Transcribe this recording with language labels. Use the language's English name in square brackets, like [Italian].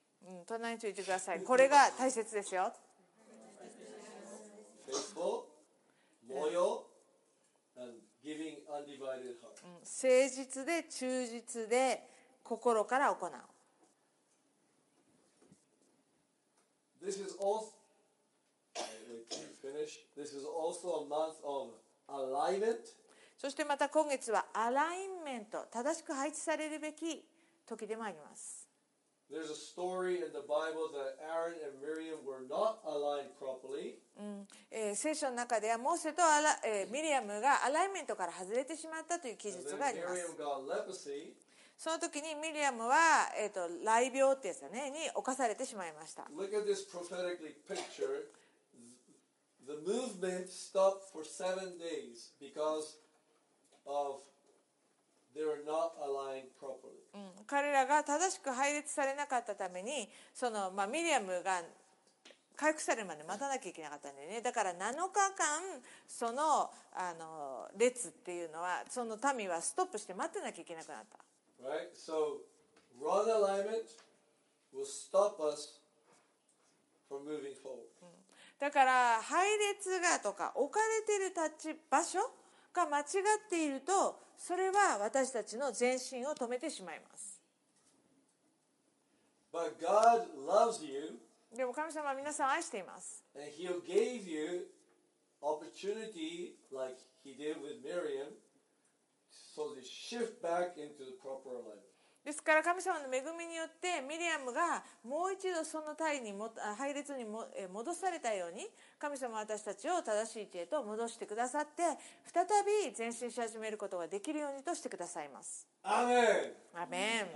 [Japanese] うん、隣に注意してください。これが大切ですよ。 [English] Faithful, loyal, and giving undivided heart.、 [Japanese] うん、誠実で忠実で心から行う。 [English] This is allThis is also a month of alignment. [Japanese] そしてまた今月はアラインメント、正しく配置されるべき時でもあります。 [English] There's a story in the Bible that Aaron and Miriam were not aligned properly.、 [Japanese] うん、聖書の中ではモーセとミリアムがアライメントから外れてしまったという記述があります。 [English] And then Miriam got leprosy. [Japanese] その時にミリアムは、雷病ってやつだね、に侵されてしまいました。 [English] Look at this prophetically picture. The movement stopped for seven days because of they were not aligned properly. [Japanese] 彼らが正しく配列されなかったために、その、まあ、ミリアムが回復されるまで待たなきゃいけなかったんだよね。だから7日間その、あの列っていうのは、その民はストップして待ってなきゃいけなくなった。 [English] Right? So wrong alignment will stop us from moving forward. [Japanese] だから配列がとか置かれている立ち場所が間違っていると、それは私たちの前進を止めてしまいます。 [English] But God loves you. [Japanese] でも神様は皆さんを愛しています。 [English] And he gave you opportunity like he did with Miriam, so to shift back into the proper life. [Japanese] ですから神様の恵みによってミリアムがもう一度その隊に配列に戻されたように、神様は私たちを正しい地へと戻してくださって、再び前進し始めることができるようにとしてくださいます。アーメン、アーメン、